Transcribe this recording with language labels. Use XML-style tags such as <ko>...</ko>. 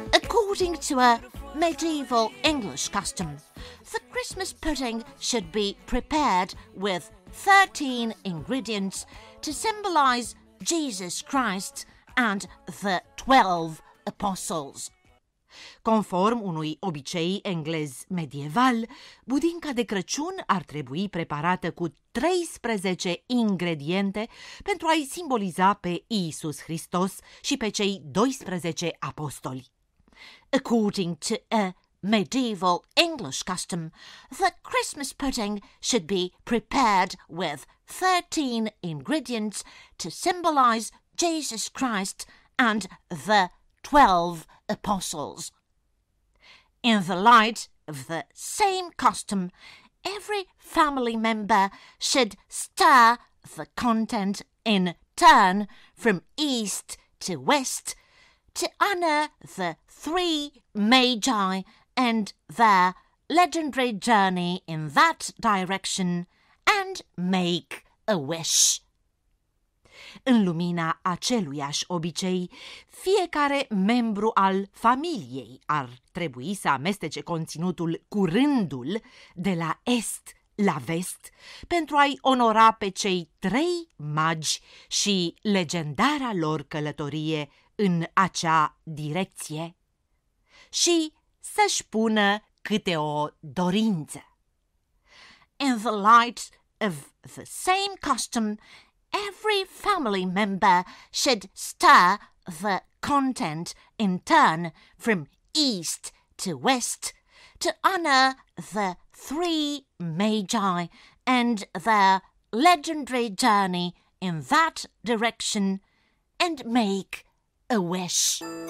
<en>According to a medieval English custom, the Christmas pudding should be prepared with 13 ingredients to symbolize Jesus Christ and the 12 apostles.</en> <ro>Conform unui obicei englez medieval, budinca de Crăciun ar trebui preparată cu 13 ingrediente pentru a-i simboliza pe Iisus Hristos și pe cei 12 apostoli.</ro> <en>According to a medieval English custom, the Christmas pudding should be prepared with 13 ingredients to symbolize Jesus Christ and the 12 apostles. In the light of the same custom, every family member should stir the content in turn from east to west to honor the three magi and their legendary journey in that direction and make a wish.</en> <ro>În lumina aceluiași obicei, fiecare membru al familiei ar trebui să amestece conținutul cu rândul de la est la vest pentru a-i onora pe cei trei magi și legendara lor călătorie în acea direcție și să-și pună câte o dorință.</ro> <en>In the light of the same custom, every family member should stir the content in turn from east to west to honor the three magi and their legendary journey in that direction and make a wish.</en>